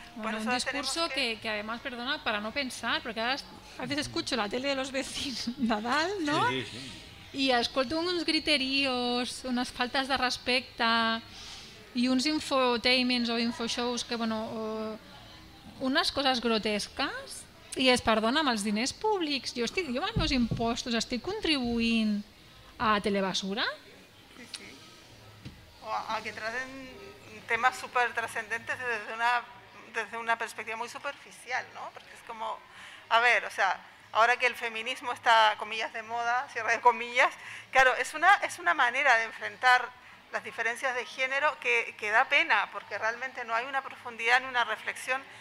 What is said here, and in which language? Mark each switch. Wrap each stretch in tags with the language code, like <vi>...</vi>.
<es>Bueno, un discurso que además, perdona, para no pensar, porque ahora a veces escucho la tele de los vecinos, Nadal, ¿no? Sí, sí. Y escucho unos griteríos, unas faltas de respecte y unos infotainments o infoshows que, bueno, unas cosas grotescas.</es> <ca>Y es, perdona, amb els diners públics. Yo amb els meus impostos estic contribuint a telebasura.</ca> <es>A que traten temas súper trascendentes desde una perspectiva muy superficial, ¿no? Porque es como, a ver, o sea, ahora que el feminismo está, comillas, de moda, cierre de comillas, claro, es una manera de enfrentar las diferencias de género que da pena, porque realmente no hay una profundidad ni una reflexión.</es>